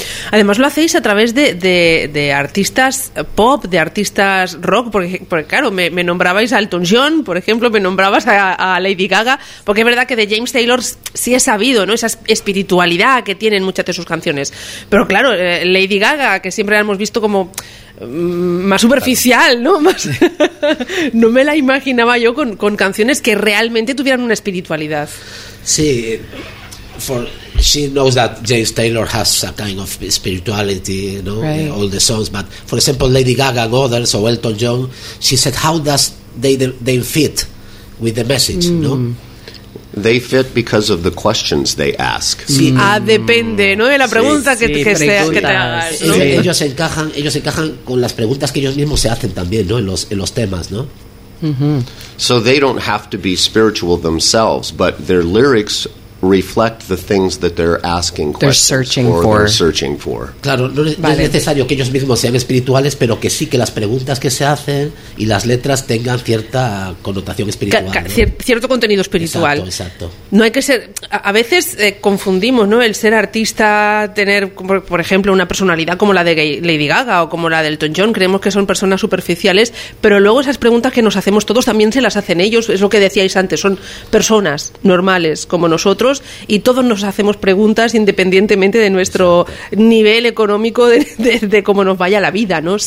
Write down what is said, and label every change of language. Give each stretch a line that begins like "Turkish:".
Spanish: Además lo hacéis a través de artistas pop, de artistas rock, porque claro, me nombrabais a Elton John, por ejemplo, me nombrabas a Lady Gaga, porque es verdad que de James Taylor sí he sabido, ¿no? Esa espiritualidad que tiene en muchas de sus canciones. Pero claro, Lady Gaga, que siempre la hemos visto como... más superficial, ¿no? Más... no me la imaginaba yo con canciones que realmente tuvieran una espiritualidad. Sí,
English: she knows that James Taylor has a kind of spirituality, you know, right. All the songs. But for example, Lady Gaga and others, or Elton John, she said, how does they fit with the message, no? They fit because of the questions they ask.
Spanish: Sí. Depende, ¿no? De la pregunta que te hagas. Sí. ¿No? Ellos encajan con las preguntas que ellos mismos se hacen también, ¿no? En los temas, ¿no? Mm-hmm.
English: So they don't have to be spiritual themselves, but their lyrics reflect the things that they're asking questions they're searching for.
Spanish: Claro, no, vale. No es necesario que ellos mismos sean espirituales, pero que sí que las preguntas que se hacen y las letras tengan cierta connotación espiritual. Cierto contenido espiritual. Exacto. No hay que ser... A veces confundimos, ¿no? El ser artista, tener, por ejemplo, una personalidad como la de Lady Gaga o como la de Elton John, creemos que son personas superficiales, pero luego esas preguntas que nos hacemos todos también se las hacen ellos, es lo que decíais antes, son personas normales como nosotros, y todos nos hacemos preguntas independientemente de nuestro nivel económico, de cómo nos vaya la vida, ¿no?